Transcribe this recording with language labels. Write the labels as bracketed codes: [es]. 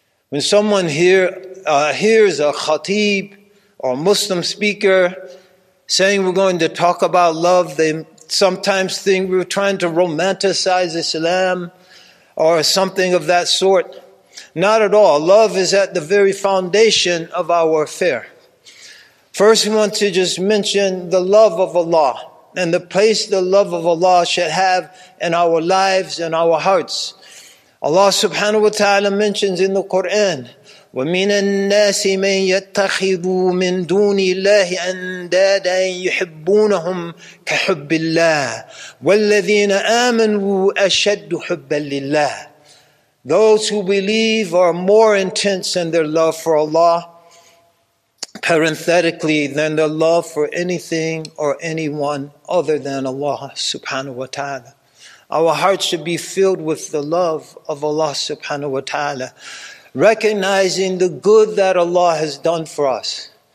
[en] When someone hears a khatib or Muslim speaker saying we're going to talk about love, they sometimes think we're trying to romanticize Islam or something of that sort. Not at all. Love is at the very foundation of our affair. First, we want to just mention the love of Allah and the place the love of Allah should have in our lives and our hearts. Allah subhanahu wa ta'ala mentions in the Quran, [ar] وَمِنَ النَّاسِ مَنْ يَتَّخِذُوا مِنْ دُونِ اللَّهِ أَنْدَادًا يُحِبُّونَهُمْ كَحُبِّ اللَّهِ وَالَّذِينَ آمَنُوا أَشَدُّ حُبًّا لِلَّهِ. [en] Those who believe are more intense in their love for Allah, parenthetically, than their love for anything or anyone other than Allah subhanahu wa ta'ala. Our hearts should be filled with the love of Allah subhanahu wa ta'ala, recognizing the good that Allah has done for us.